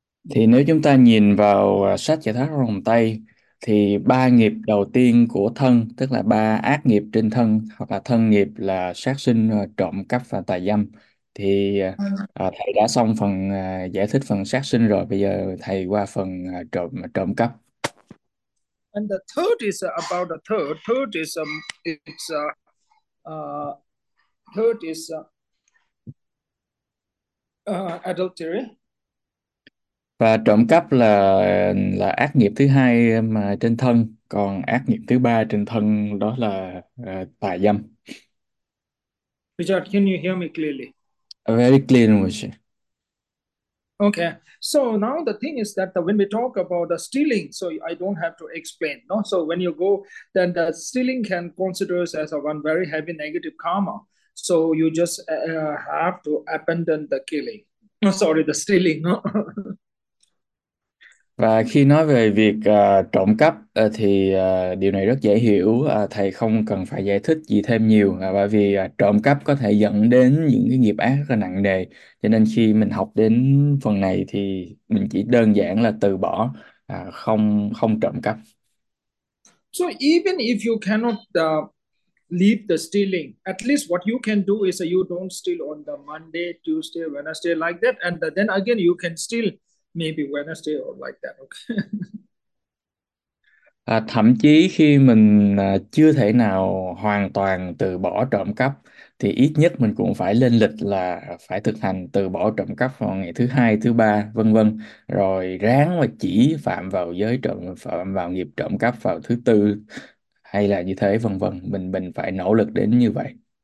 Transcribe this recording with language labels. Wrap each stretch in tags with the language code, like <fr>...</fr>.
<vi>Thì nếu chúng ta nhìn vào sách Giải Thoát Vòng Tay thì ba nghiệp đầu tiên của thân, tức là ba ác nghiệp trên thân, hoặc là thân nghiệp là sát sinh, trộm cắp và tà dâm, thì thầy đã xong phần giải thích phần sát sinh rồi, bây giờ thầy qua phần trộm cắp.</vi> <en>And the third is about the third. Third is it's third is adultery.</en> <vi>Và trộm cắp là ác nghiệp thứ hai mà trên thân, còn ác nghiệp thứ ba trên thân đó là tà dâm.</vi> <en>Richard, can you hear me clearly? Very clear, Moshe. Okay, so now the thing is that when we talk about the stealing, so I don't have to explain, no? So when you go, then the stealing can consider as a one very heavy negative karma. So you just have to abandon the killing. Sorry, the stealing. No?</en> <vi>Và khi nói về việc trộm cắp thì điều này rất dễ hiểu, thầy không cần phải giải thích gì thêm nhiều, bởi vì trộm cắp có thể dẫn đến những cái nghiệp ác rất là nặng nề, cho nên khi mình học đến phần này thì mình chỉ đơn giản là từ bỏ, không không trộm cắp.</vi> <en>So even if you cannot leave the stealing, at least what you can do is you don't steal on the Monday, Tuesday, Wednesday like that, and then again you can steal maybe Wednesday or like that. Okay.</en> <vi>Thậm chí khi mình chưa thể nào hoàn toàn từ bỏ trộm cắp thì ít nhất mình cũng phải lên lịch là phải thực hành từ bỏ trộm cắp vào ngày thứ hai, thứ ba, vân vân, rồi ráng mà chỉ phạm vào giới trộm phạm vào nghiệp trộm cắp vào thứ tư hay là như thế, vân vân, mình phải nỗ lực đến như vậy.</vi>